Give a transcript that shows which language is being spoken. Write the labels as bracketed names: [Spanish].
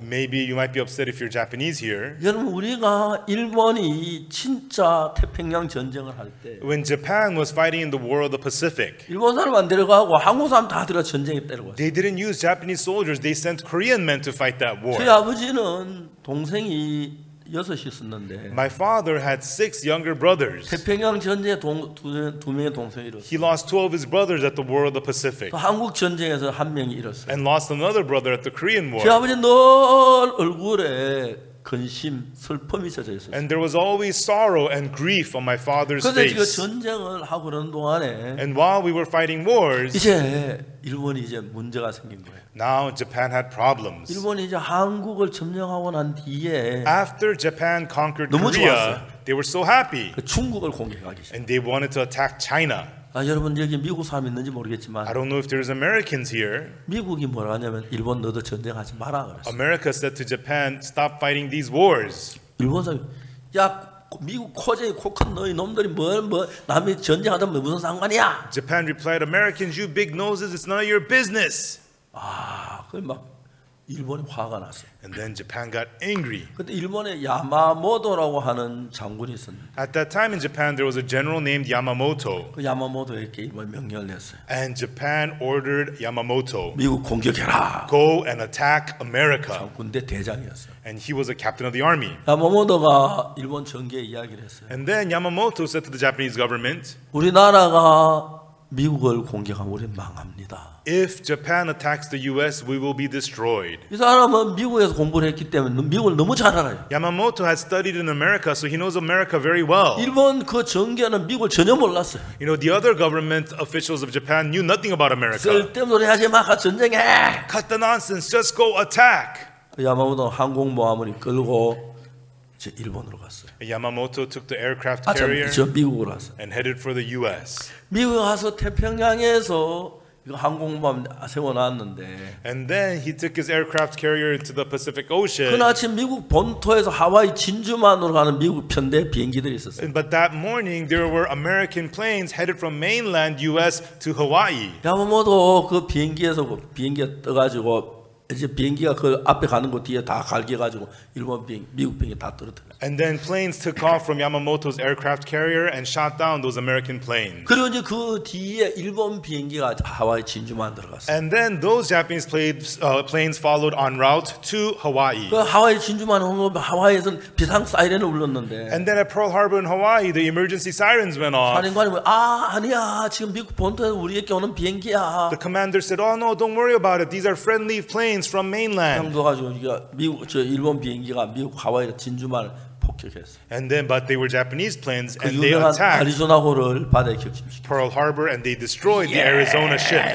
[English] Maybe you might be upset if you're Japanese here. [Korean] 여러분 우리가 일본이 진짜 태평양 전쟁을 할 때 [English] When Japan was fighting in the war Of the Pacific. [Korean] 일본 사람 안 데려가고 한국 사람 다 들어 전쟁에 데려갔어요. [English] They didn't use Japanese soldiers. They sent Korean men to fight that war. [Korean] 제 아버지는 동생이 여섯이 있었는데. [English] My father had six younger brothers. [Korean] 태평양 전쟁에 두 명의 동생이 잃었어요. [English] He lost two of his brothers at the War of the Pacific. [Korean] 또 한국 전쟁에서 한 명이 잃었어요. [English] And lost another brother at the Korean War. [Korean] 제 아버지 늘 얼굴에 근심, 슬픔이 젖어 있었어. [English] And there was always sorrow and grief on my father's face. [Korean] 그런데 지금 전쟁을 하고 있는 동안에, [English] and while we were fighting wars, [Korean] 이제 일본이 이제 문제가 생긴 거예요. [English] Now Japan had problems. [Korean] 일본이 이제 한국을 점령하고 난 뒤에, [English] after Japan conquered Korea, they were so happy. [Korean] 중국을 공격하기 시작. [English] And they wanted to attack China. [Korean] 아 여러분 여기 미국 사람 있는지 모르겠지만 [English] I don't know if there's Americans here. [Korean] 미국이 뭐라 하냐면 일본 너도 전쟁하지 마라 그랬어. [English] America said to Japan stop fighting these wars. [Korean] 일본 사람 야 미국 코제이 코큰 너희 놈들이 뭐 남이 전쟁하다 뭐 무슨 상관이야. [English] Japan replied Americans you big noses it's none of your business. [Korean] 아 그럼 막 일본이 화가 났어. [English] And then Japan got angry. [Korean] 그때 일본에 야마모토라고 하는 장군이 있었는데. [English] At that time in Japan, there was a general named Yamamoto. [Korean] 그 야마모토에게 일본 명령을 냈어요. [English] And Japan ordered Yamamoto. [Korean] 미국 공격해라. [English] Go and attack America. [Korean] 장군대 대장이었어. [English] And he was a captain of the army. [Korean] 야마모토가 일본 정계에 이야기를 했어요. [English] And then Yamamoto said to the Japanese government, [Korean] 우리나라가 미국을 공격하면 우리 망합니다. [English] If Japan attacks the U.S., we will be destroyed. [Korean] 이 사람은 미국에서 공부를 했기 때문에 미국을 너무 잘 알아요. [English] Yamamoto has studied in America, so he knows America very well. [Korean] 일본 그 정계는 미국을 전혀 몰랐어요. [English] You know, the other government officials of Japan knew nothing about America. [Korean] 쓸데없는 소리 하지 마, 가 전쟁해. [English] Cut the nonsense, just go attack. [Korean] 야마모토 항공모함을 이끌고 저 일본으로 갔어요. [English] Yamamoto took the aircraft carrier [Korean] 저 미국으로 왔어요. [English] And headed for the U.S. [Korean] 미국 가서 태평양에서 항공모함 세워놨는데. [English] And then he took his aircraft carrier into the Pacific Ocean. [Korean] 그날 아침 미국 본토에서 하와이 진주만으로 가는 미국 편대 비행기들이 있었어요. [English] But that morning there were American planes headed from mainland U.S. to Hawaii. [Korean] 야마모토 그 비행기에서 비행기 떠가지고 이제 비행기가 그 앞에 가는 곳 뒤에 다 갈겨가지고 일본 비행 미국 비행기 다 떨어뜨려. [English] And then planes took off from Yamamoto's aircraft carrier and shot down those American planes. [Korean] 그리고 이제 그 뒤에 일본 비행기가 하와이 진주만 들어갔어. [English] And then those Japanese planes followed en route to Hawaii. [Korean] 그 하와이 진주만 온 거 하와이에서는 비상 사이렌을 울렸는데. [English] And then at Pearl Harbor in Hawaii, the emergency sirens went off. [Korean] 사령관이 아 아니야 지금 미국 본토에서 우리에게 오는 비행기야. [English] The commander said, "Oh no, don't worry about it. These are friendly planes from mainland." [Korean] 그래가지고 이게 미국 저 일본 비행기가 미국 하와이 진주만 [English] And then, but they were Japanese planes, and they attacked [Korean] Arizona 호를 바다에 격침시켰어요. [English] Pearl Harbor, and they destroyed the Arizona ship.